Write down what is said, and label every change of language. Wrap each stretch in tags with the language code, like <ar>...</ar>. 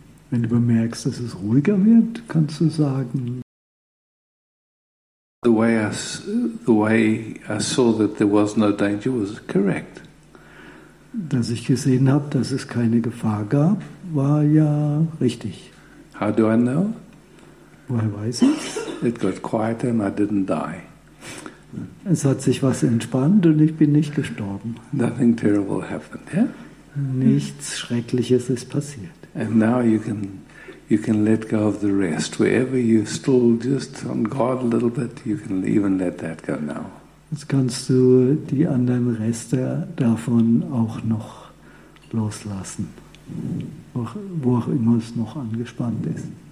<de>Wenn du bemerkst, dass es ruhiger wird, kannst du sagen.</de> <en>The way I saw that there was no danger was correct.</en> <de>Dass ich gesehen habe, dass es keine Gefahr gab, war ja richtig.</de> <en>How do I know?</en> <de>Woher weiß ich?</de> <en>It got quieter and I didn't die.</en> <de>Es hat sich was entspannt und ich bin nicht gestorben.</de> <en>Nothing terrible happened, yeah?</en> <de>Nichts Schreckliches ist passiert.</de> <en>And now you can let go of the rest. Wherever you're still just on guard a little bit, you can even let that go now.</en> <de>Jetzt kannst du die anderen Reste davon auch noch loslassen, wo auch immer es noch angespannt ist.</de>